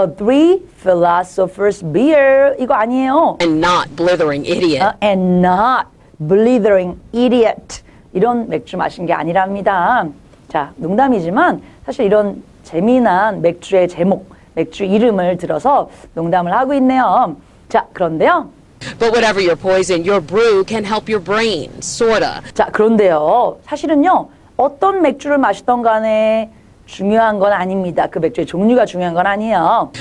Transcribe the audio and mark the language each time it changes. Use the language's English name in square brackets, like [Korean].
[English] Three philosophers beer. [Korean] 이거 아니에요. [English] And not blithering idiot. And not blithering idiot. [Korean] 이런 맥주 마신 게 아니랍니다. 자, 농담이지만 사실 이런 재미난 맥주의 제목, 맥주 이름을 들어서 농담을 하고 있네요. 자, 그런데요. [English] But whatever your poison, your brew can help your brain, sorta. [Korean] 자, 그런데요. 사실은요. 어떤 맥주를 마시던 간에 중요한 건 아닙니다. 그 맥주의 종류가 중요한 건 아니에요.